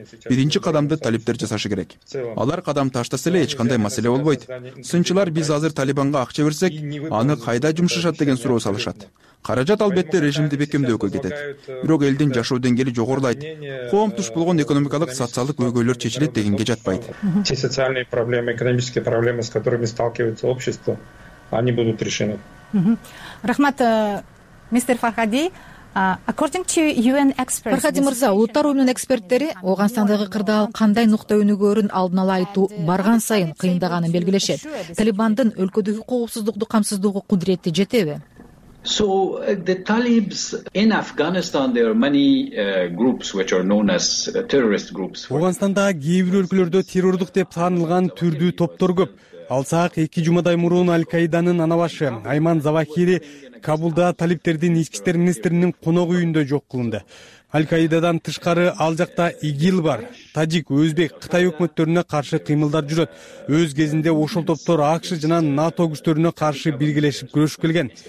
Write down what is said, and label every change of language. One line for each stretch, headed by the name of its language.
Kyrgyz: Биринчи кадамды талиптер жасашы керек. Алар кадам таштаса эле эч кандай маселе болбойт. Сынчылар биз азыр Талибанга акча берсек, аны кайда жумшашат деген суроо салышат. Каражат албетте режимди бекемдөөгө кетет. Бирок элдин жашоо деңгээли жогорулайт. Коом туш болгон экономикалык, социалдык өйгөйлөр чечилет дегенге жатпайт.
Russian: Те социальные проблемы, экономические проблемы, с которыми сталкивается общество, они будут решены.
Kyrgyz: Рахмат, мистер Фархади.
English: According to UN experts,
Kyrgyz: Фархади Мырза, улуттар уюмунун эксперттери Оогонстандагы кырдаал кандай нукта өнүгөрүн алдын ала айтуу барган сайын кыйындаганын белгилешет. Талибандын өлкөдөгү коопсуздукту камсыздоого кудурети жетеби?
English: So the Talibs in Afghanistan, there are many groups which are known as terrorist groups.
Kyrgyz: Оогонстанда кээбир өлкөлөрдө террордук деп таанылган түрдүү топтор көп. Алсак, 2 жумадай мурун Аль-Каиданын анабашы Айман Завахири Кабулда талиптердин ички иштер министринин конок үйүндө жок кылынды. Аль-Каидадан тышкары ал жакта ИГИЛ бар, тажик, өзбек, Кытай өкмөттөрүнө каршы кыймылдар жүрөт. Өз кезинде ошол топтор АКШ жана НАТО күчтөрүнө каршы биргелешип күрөш келген.